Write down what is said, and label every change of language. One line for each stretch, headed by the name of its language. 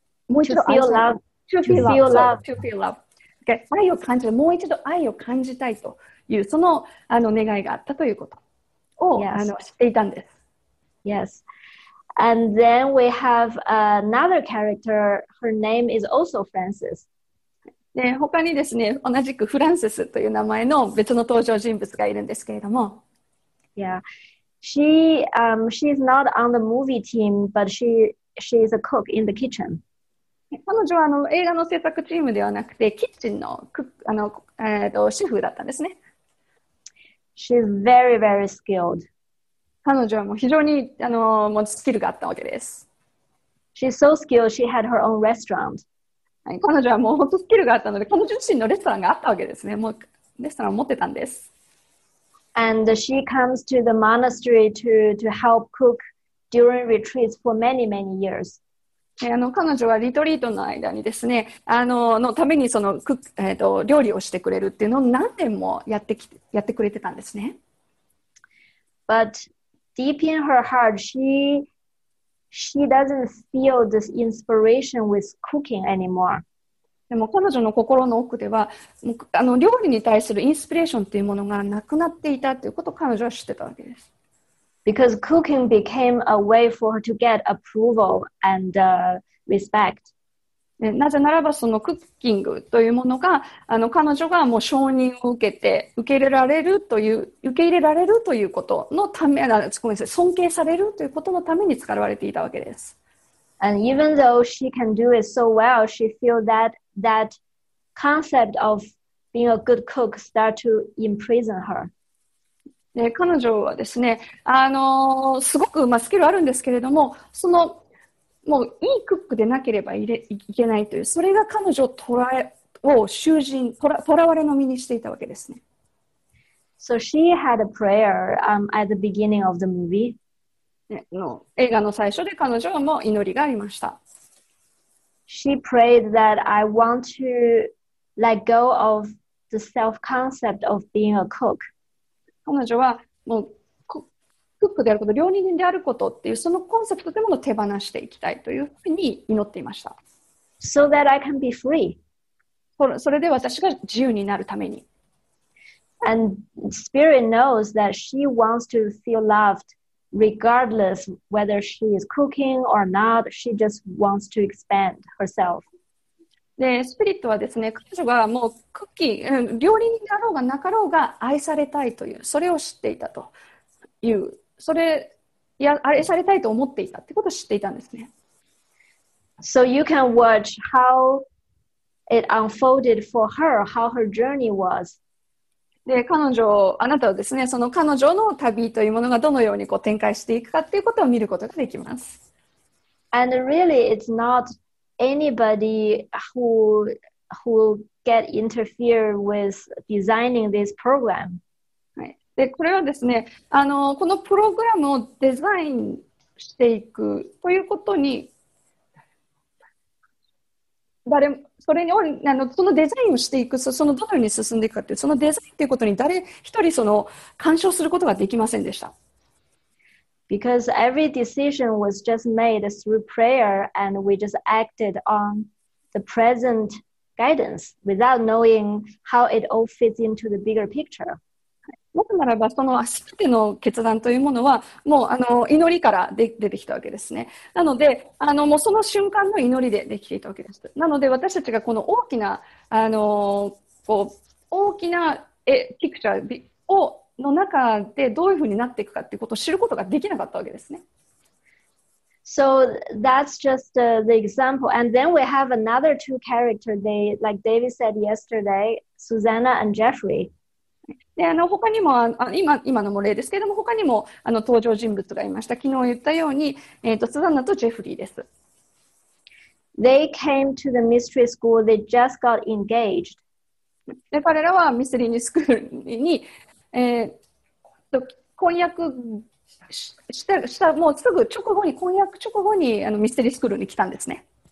Japanese: もう一度
English: to feel love to feel love, love. to feel love、okay.
Japanese: 愛を感じるもう一度愛を感じたいというその願いがあったということを、yes. 知っていたんです
English: Yes and then we have another character her name is also Francis.
Japanese: で他にですね、同じくフランシスという名前の別の登場人物がいるんですけれども。
English: Yeah. She is not on the movie team, but she is a cook in the kitchen.
Japanese: 彼女は映画の制作チームではなくて、キッチンの、シェフだったんですね。
English: She is very, very skilled.
Japanese: 彼女はもう非常にもうスキルがあったわけです。
English: She is so skilled, she had her own restaurant.
Japanese: はい、彼女はもう本当スキルがあったので、彼女自身のレストランがあったわけですね。もうレストランを持ってたんです。
English: And she comes to the monastery to help cook during retreats for many, many years.
Japanese: 彼女はリトリートの間にですね、のためにその、料理をしてくれるっていうのを何年もやってくれてたんですね。
English: But deep in her heart, she doesn't feel this inspiration with cooking anymore.
Japanese: でも彼女の心の奥では、料理に対するインスピレーションというものがなくなっていたということを彼女は知ってたわけです。
English: Because cooking became a way for her to get approval and respect.
Japanese: なぜならばそのクッキングというものが、彼女がもう承認を受けて受け入れられるということのため、ごめんなさい、尊敬されるということのために使われていたわけです。
English: And even though she can do it so well, she feels that concept of being a good cook start to imprison her.
Japanese: で、彼女はですね、すごく、まあ、スキルあるんですけれども、その、もういいクックでなければいけないという、それが彼女を囚人、囚われの身にしていたわけですね。
English: So she had a prayer, at the beginning of the movie.
Japanese: の映画の最初で彼女はもう祈りがありました。
English: She prayed that I want to let go of the self-concept of being a cook.
Japanese: 彼女はもうクックであること、料理人であることっていうそのコンセプトというものを手放していきたいというふうに祈っていました。
English: So that I can be free.
Japanese: それで私が自由になるために。
English: And spirit knows that she wants to feel loved regardless whether she is cooking or not. She just wants to expand herself.
Japanese: で、スピリットはですね、彼女がもうクッキー、料理人であろうがなかろうが愛されたいという、それを知っていたという、それ、いや、愛されたいと思っていたってことを知っていたんですね。
English: So you can watch how it unfolded for her, how her journey was.
Japanese: で、彼女、あなたはですね、その彼女の旅というものがどのようにこう展開していくかっていうことを見ることができます。
English: And really, it's not anybody who get interfered with designing this program.
Japanese: はい。で、これはですね、このプログラムをデザインしていくということに、誰も、それに、そのデザインをしていく、そのどのように進んでいくかっていう、そのデザインっていうことに誰一人その干渉することができませんでした。
English: Because every decision was just made through prayer and we just acted on the present guidance without knowing how it all fits into the bigger picture.
Japanese: もっとならば、その全ての決断というものは、もう祈りから出てきたわけですね。なので、もうその瞬間の祈りでできていたわけです。なので、私たちがこの大きな、こう、大きなピクチャーを、の中でどういうふうになっていくかということを知ることができなかったわけですね。
English: So that's just the example. And then we have another two characters, they, like David said yesterday, Susanna and Jeffrey.
Japanese: で、他にも、今のも例ですけれども、他にも登場人物がいました。昨日言ったように、スザンナとジェフリーです。
English: They came to the mystery school, they just got engaged.
Japanese: で、彼らはミステリーニュースクールに、婚約したもうすぐ直後に婚約直後にミステリースクールに来たんですね。